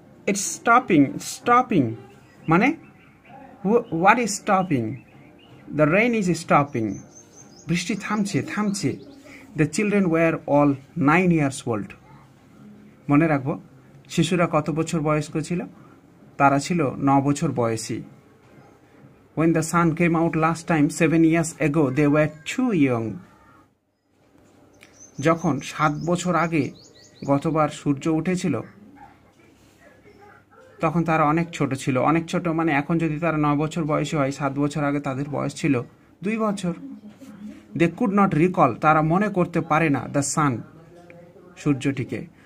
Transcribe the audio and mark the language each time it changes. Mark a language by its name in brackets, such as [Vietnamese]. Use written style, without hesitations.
[English] it's stopping, stopping মানে what is stopping, the rain is stopping, [Bangla] বৃষ্টি থামছে, থামছে। [English] the children were all 9 years old, [Bangla] মনে রাখবো শিশুরা কত বছর বয়স্ক ছিল, তারা ছিল 9 বছর বয়সী। [English] When the sun came out last time 7 years ago, they were too young. [Bangla] যখন 7 বছর আগে গতবার সূর্য উঠেছিল তখন তারা অনেক ছোট ছিল, অনেক ছোট মানে এখন যদি তারা 9 বছর বয়সী হয়, 7 বছর আগে তাদের বয়স ছিল 2 বছর। [English] they could not recall, [Bangla] তারা মনে করতে পারে না [English] the sun, [Bangla] সূর্যটিকে।